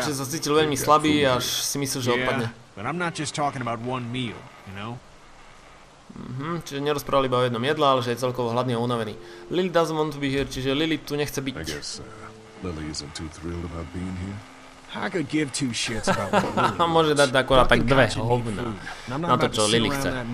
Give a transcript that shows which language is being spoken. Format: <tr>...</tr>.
<sk>A čiže sa cítil veľmi slabý, až si myslel, že odpadne.</sk> <en>Yeah, but I'm not just talking about one meal, you know?</en> <sk>Čiže nerozprávali iba o jednom jedle, ale že je celkovo hladný a unavený.</sk> <en>Lily doesn't want to be here,</en> <sk>čiže Lily tu nechce byť.</sk> <en>Lily isn't too thrilled about being here. I could give two shits about Lily.</en> <sk>Môže dať akurát tak dve hovna na to, čo Lily chce.</sk>